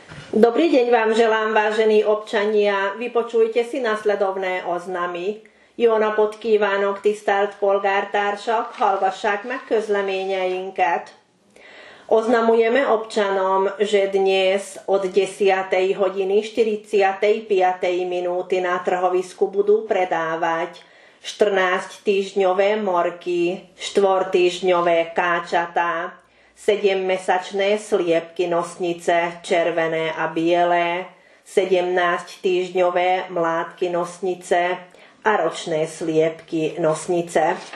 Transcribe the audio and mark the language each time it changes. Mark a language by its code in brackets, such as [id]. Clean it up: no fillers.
[sk] Dobrý deň vám želám, vážení občania. Vypočujte si nasledovné oznamy. [hu] Jóna podkívánok, tisztelt polgártársak, hallgassák meg közleményeinket. [sk] Oznamujeme občanom, že dnes od 10. hodiny 45. minúty na trhovisku budú predávať 14-týždňové morky, 4-týždňové káčatá, 7-mesačné sliepky nosnice červené a biele, 17-týždňové mládky nosnice a ročné sliepky nosnice.